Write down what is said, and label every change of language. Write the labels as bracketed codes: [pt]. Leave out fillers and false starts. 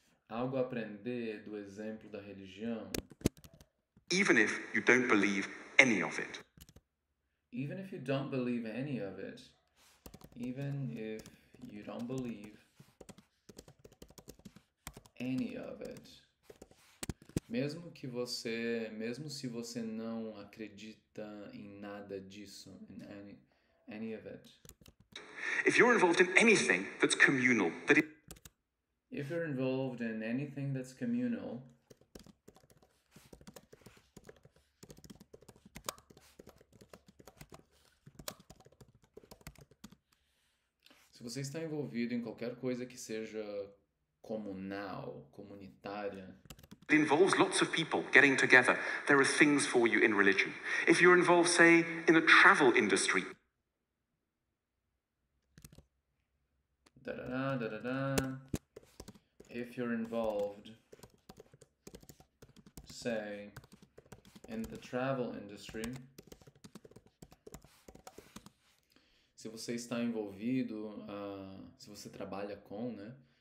[pt] Algo a aprender do exemplo da religião. [en] Even if you don't believe any of it. Even if you don't believe any of it. Even if you don't believe any of it. [pt] Mesmo se você não acredita em nada disso, [en] in any of it. If you're involved in anything that's communal, that is... If you're involved in anything that's communal... [pt] Se você está envolvido em qualquer coisa que seja comunal, comunitária... [en] It involves lots of people getting together. There are things for you in religion. If you're involved, say, in a travel industry. Da da da da da da. If you're involved, say, in the travel industry. [pt] Se você está envolvido, se você trabalha com, né?